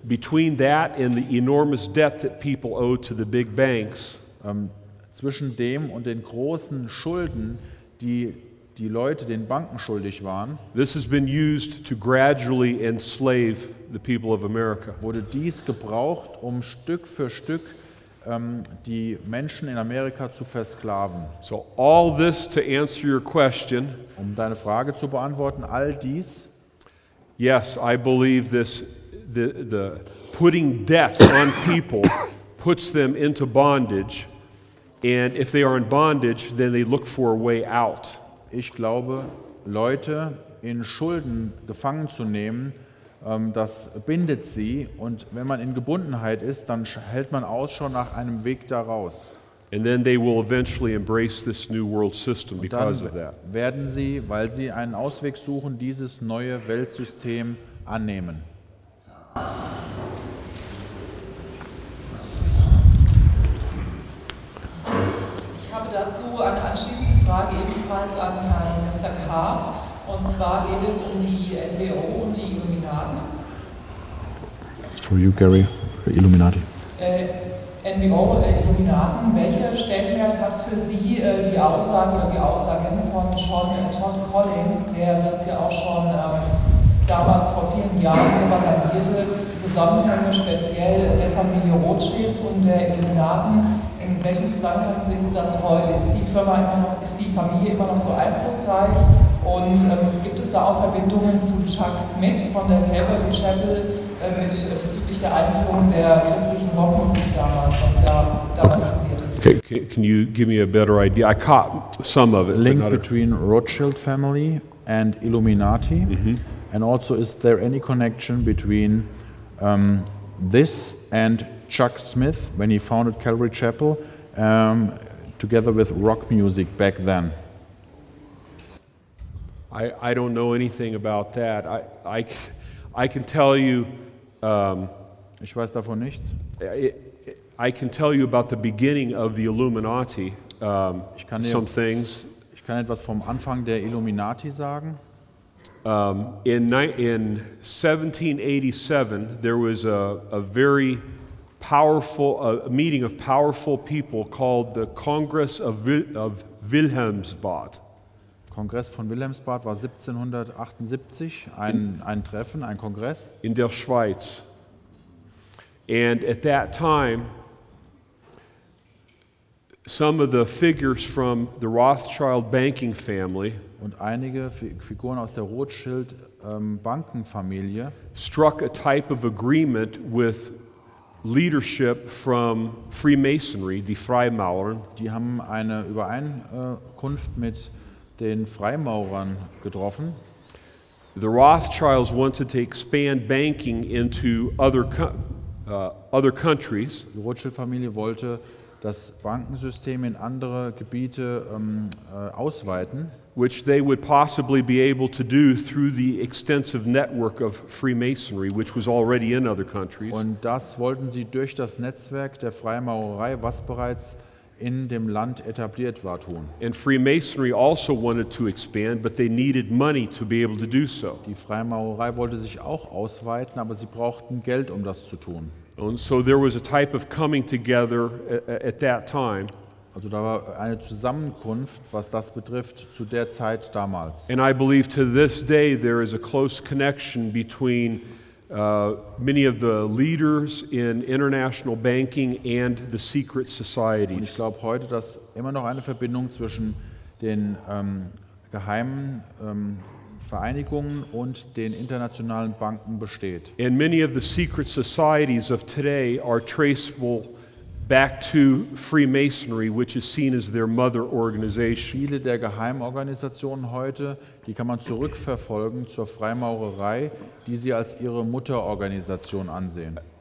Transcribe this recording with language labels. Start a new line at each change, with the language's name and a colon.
English: Between that and the enormous debt that people owe to the big banks,
German: zwischen dem und den großen Schulden, die die Leute den Banken schuldig waren,
English: this has been used to gradually enslave the people of America.
German: Wurde dies gebraucht, um Stück für Stück die Menschen in Amerika zu versklaven.
English: So all this to answer your question.
German: Um deine Frage zu beantworten, all dies.
English: Yes, I believe this, the putting debt on people puts them into bondage, and if they are in bondage, then they look for a way out.
German: Ich glaube, Leute in Schulden gefangen zu nehmen, das bindet sie, und wenn man in Gebundenheit ist, dann hält man Ausschau nach einem Weg daraus.
English: And then they will eventually embrace this new world system because of that.
German: Werden sie, weil sie einen Ausweg suchen, dieses neue Weltsystem annehmen. Ich habe dazu eine anschließende Frage ebenfalls an Herrn Mr. K. Und zwar geht es um die NWO und die Illuminaten.
English: For you, Gary, Illuminati.
German: NWO oder Illuminaten, welcher Stellenwert hat für Sie die Aussage oder die Aussagen von John Collins, der das ja auch schon damals vor vielen Jahren propagierte, Zusammenhänge speziell der Familie Rothschilds und der Illuminaten? In welchem Zusammenhang sehen Sie das heute? Ist die Firma einfach noch, ist die Familie immer noch so einflussreich? Und gibt es da auch Verbindungen zu Chuck Smith von der Calvary Chapel bezüglich der Einführung der christlichen Rockmusik damals, was da damals passiert?
English: Okay, can you give me a better idea? I caught some of it. Link between Rothschild family and Illuminati? Mm-hmm. And also, is there any connection between this and Chuck Smith when he founded Calvary Chapel together with rock music back then? I don't know anything about that. I can tell you...
German: Ich weiß davon nichts.
English: I can tell you about the beginning of the Illuminati, some things.
German: Ich kann etwas vom Anfang der Illuminati sagen.
English: In 1787, there was a very powerful a meeting of powerful people called the Congress of Wilhelmsbad.
German: Kongress von Wilhelmsbad war 1778, ein Treffen, ein Kongress. In der Schweiz.
English: And at that time, some of the figures from the Rothschild banking family
German: und einige Figuren aus der Rothschild Bankenfamilie
English: struck a type of agreement with leadership from Freemasonry,
German: die Freimaurern. Die haben eine Übereinkunft mit den Freimaurern getroffen.
English: The Rothschilds wanted to expand banking into other countries.
German: Die Rothschild Familie wollte das Bankensystem in andere Gebiete ausweiten,
English: which they would possibly be able to do through the extensive network of Freemasonry, which was already in other countries.
German: Und das wollten sie durch das Netzwerk der Freimaurerei, was bereits in dem Land etabliert war, tun.
English: And Freemasonry also wanted to expand, but they needed money to be able to do so.
German: Die Freimaurerei wollte sich auch ausweiten, aber sie brauchten Geld, um das zu tun.
English: And so there was a type of coming together at that time.
German: Also da war eine Zusammenkunft, was das betrifft, zu der Zeit damals.
English: And I believe to this day there is a close connection between many of the leaders in international banking and the secret societies.
German: Und ich glaube heute, dass immer noch eine Verbindung zwischen den geheimen Vereinigungen und den internationalen Banken besteht.
English: And many of the secret societies of today are traceable back to Freemasonry, which is seen as their mother organization.
German: Viele der Geheimorganisationen heute, die kann man zurückverfolgen zur Freimaurerei, die sie als ihre Mutterorganisation ansehen.